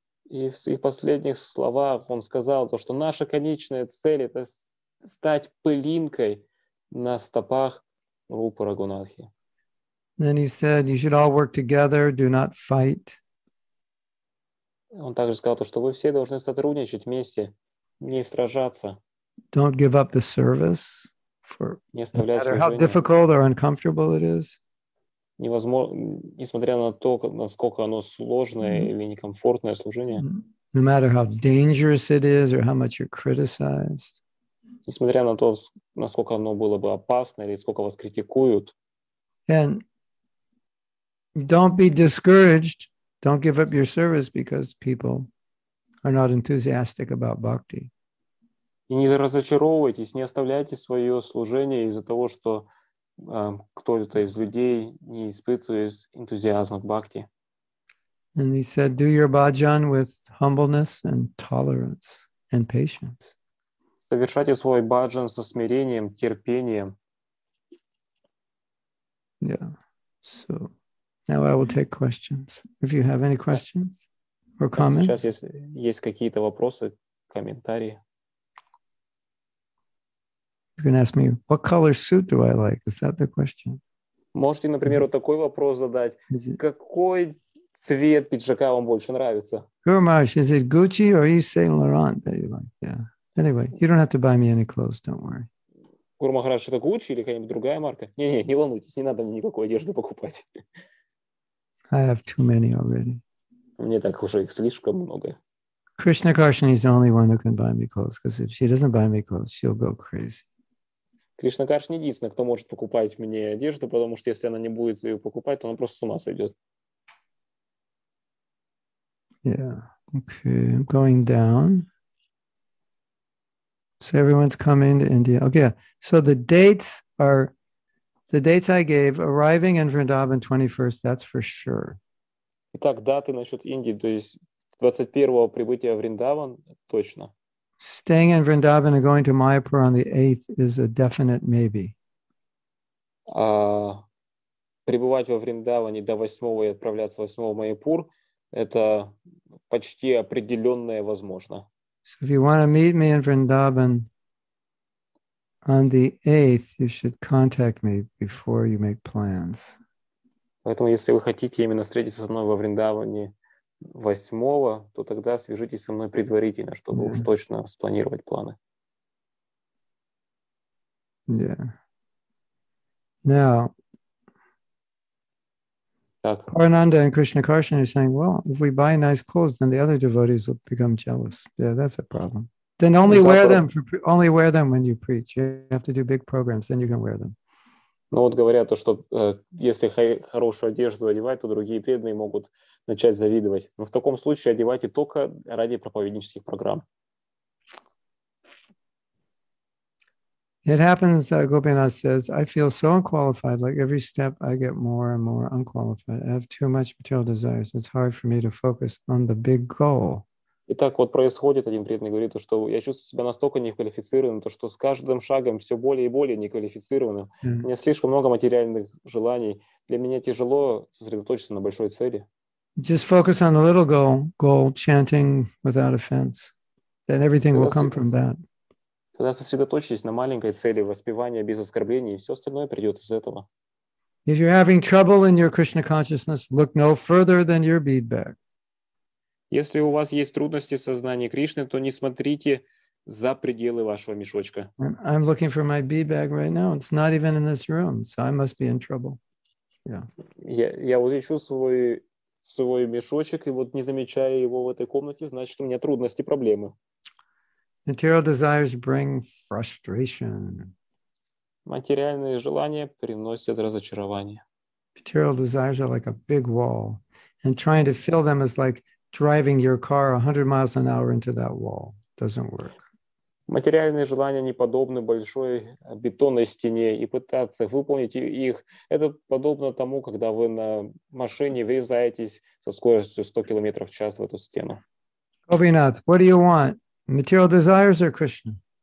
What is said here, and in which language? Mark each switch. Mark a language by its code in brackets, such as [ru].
[ru] И в своих последних словах он сказал то, что наша конечная цель это стать пылинкой на стопах Рупы Рагунатхи. [en] Then he said, you should all work together, do not fight. [ru] Он также сказал то, что вы все должны сотрудничать вместе, не сражаться. [en] Don't give up the service for [ru] не оставлять [en] no matter how difficult or uncomfortable it is. [ru] Невозможно, несмотря на то, насколько оно сложное mm-hmm. или некомфортное служение. [en] No matter how dangerous it is or how much you're criticized. [ru] Несмотря на то, насколько оно было бы опасно или сколько вас критикуют. [en] And don't be discouraged. Don't give up your service because people are not enthusiastic about bhakti. [ru] И не разочаровывайтесь, не оставляйте свое служение из-за того, что кто-то из людей не испытывает энтузиазма к бхакти. [en] And he said, do your bhajan with humbleness and tolerance and patience. [ru] Совершайте свой бхаджан со смирением, терпением. [en] Yeah, so... Now I will take questions. If you have any questions or comments. [ru] Сейчас есть какие-то вопросы, комментарии. [en] You can ask me, what color suit do I like? Is that the question? [ru] Можете, например, вот такой вопрос задать. Какой цвет пиджака вам больше нравится? [en] Gurmash, is it Gucci or Yves Saint Laurent that you like? Yeah. Anyway, you don't have to buy me any clothes, don't worry. [ru] Gurmash, это Gucci или какая-нибудь другая марка? Не-не, не волнуйтесь, не надо мне никакой одежды покупать. [en] I have too many already. [ru] Мне так уже их слишком много. [en] Krishna Karshani is the only one who can buy me clothes, because if she doesn't buy me clothes, she'll go crazy. [ru] Krishna Karshani единственная, кто может покупать мне одежду, потому что если она не будет ее покупать, то она просто с ума сойдет. [en] Yeah. Okay. I'm going down. So everyone's coming to India. Okay. So the dates are. The dates I gave, arriving in Vrindavan 21st, that's for sure. [ru] Итак, даты насчет Индии, то есть 21-го прибытия в Вриндаван, точно. [en] Staying in Vrindavan and going to Mayapur on the 8th is a definite maybe. [ru] Пребывать во Вриндаване до 8-го и отправляться 8-го в Майяпур, это почти определенное возможно. [en] So if you want to meet me in Vrindavan, on the 8th, you should contact me before you make plans. [ru] Поэтому, если вы хотите именно встретиться со мной во Вриндаване 8-го, то тогда свяжитесь со мной предварительно, чтобы yeah. уж точно спланировать планы. [en] Yeah. Now, [ru] так. [en] Arnanda and Krishna Karshan are saying, well, if we buy nice clothes, then the other devotees will become jealous. Yeah, that's a problem. Then only wear them. Only wear them when you preach. You have to do big programs, then you can wear them. [ru] Ну вот говорят то, что если хорошую одежду одевать, то другие преданные могут начать завидовать. Но в таком случае одевайте только ради проповеднических программ. [en] It happens, Gopinath says. I feel so unqualified. Like every step, I get more and more unqualified. I have too much material desires. It's hard for me to focus on the big goal. [ru] И так вот происходит, один преданный говорит, что я чувствую себя настолько неквалифицированным, то что с каждым шагом все более и более неквалифицированным. [en] Yeah. [ru] У меня слишком много материальных желаний. Для меня тяжело сосредоточиться на большой цели. [en] Just focus on the little goal, chanting without offense. Then everything will come from that. [ru] Тогда сосредоточьтесь на маленькой цели, воспевание без оскорблений, и все остальное придет из этого. [en] If you're having trouble in your Krishna consciousness, look no further than your bead bag. [ru] Если у вас есть трудности в сознании Кришны, то не смотрите за пределы вашего мешочка. [en] I'm looking for my bead bag right now. It's not even in this room, so I must be in trouble. Yeah. [ru] Я вот ищу свой мешочек, и вот не замечая его в этой комнате, значит, у меня трудности, проблемы. [en] Material desires bring frustration. [ru] Материальные желания приносят разочарование. [en] Material desires are like a big wall, and trying to fill them is like driving your car 100 miles an hour into that wall doesn't work. [ru] Материальные желания не подобны большой бетонной стене, и пытаться выполнить их это подобно тому, когда вы на машине врезаетесь со скоростью 100 км в час в эту стену. [en] Gopinath, what do you want? Material desires or Krishna?